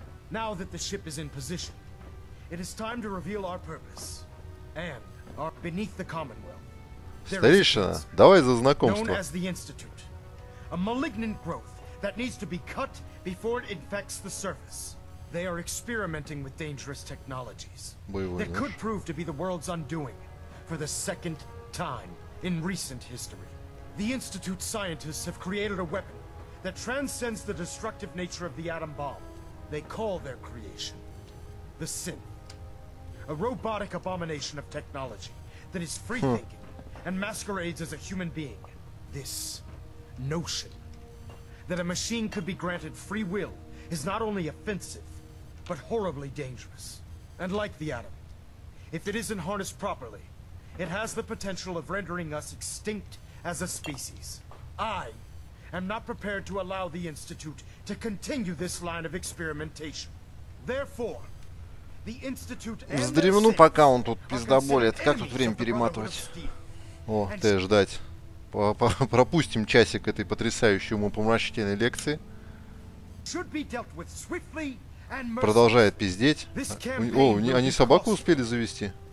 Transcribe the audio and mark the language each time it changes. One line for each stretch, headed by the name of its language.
English: Now that the ship is in position, it is time to reveal our purpose and our beneath the Commonwealth.
Russian: Старейшина, давай за знакомство.
English: Known as the Institute, a malignant growth that needs to be cut before it infects the surface. They are experimenting with dangerous technologies that could prove to be the world's undoing for the second time in recent history. The Institute scientists have created a weapon that transcends the destructive nature of the atom bomb. They call their creation the Synth, a robotic abomination of technology that is free-thinking and masquerades as a human being. This notion that a machine could be granted free will is not only offensive, but horribly dangerous. And like the atom, if it isn't harnessed properly, it has the potential of rendering us extinct as a species. I am not prepared to allow the Institute to continue this line of experimentation. Therefore, the Institute and the Synth.
Russian: Ну пока он тут пиздоболит, как тут время перематывать? О, ты ждать. Пропустим часик этой потрясающей умопомрачительной лекции.
English: Should be dealt with swiftly and mercifully.
Russian: Продолжает пиздеть. О, они собаку успели завести.